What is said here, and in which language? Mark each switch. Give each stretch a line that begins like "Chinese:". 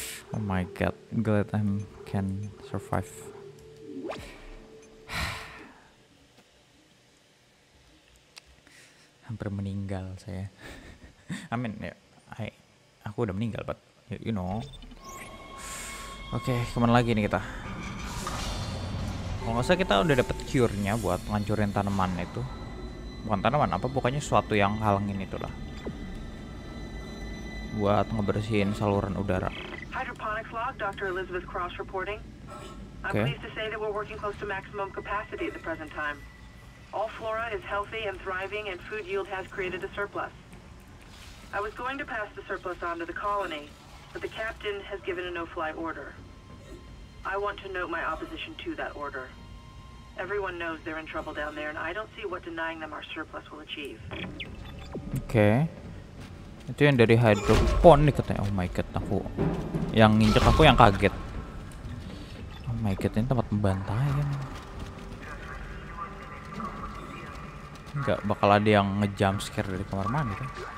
English: Oh my god, glad I can survive.
Indonesian: Hampir meninggal saya.
English: I mean, yeah,
Indonesian: aku udah meninggal,
English: but you know.
Indonesian: Oke, okay, kemana lagi nih kita? Kalau nggak salah kita udah dapet cure-nya buat ngancurin tanaman itu. Bukan tanaman, apa pokoknya sesuatu yang halangin itu lah. Buat ngebersihin saluran udara.
English: Hydroponics log, Dr. Elizabeth Cross reporting. Okay. I'm pleased to say that we're working close to maximum capacity at the present time. All flora is healthy and thriving, and food yield has created a surplus. I was going to pass the surplus on to the colony, but the captain has given a no-fly order. I want to note my opposition to that order. Everyone knows they're in trouble down there, and I don't see what denying them our surplus will achieve. Okay.
Indonesian: Itu yang dari hydroponik katanya.
English: Oh my god,
Indonesian: aku yang nginjek aku yang kaget.
English: Oh my god,
Indonesian: ini tempat pembantaian. Enggak bakal ada yang ngejump scare dari kamar mandi kan.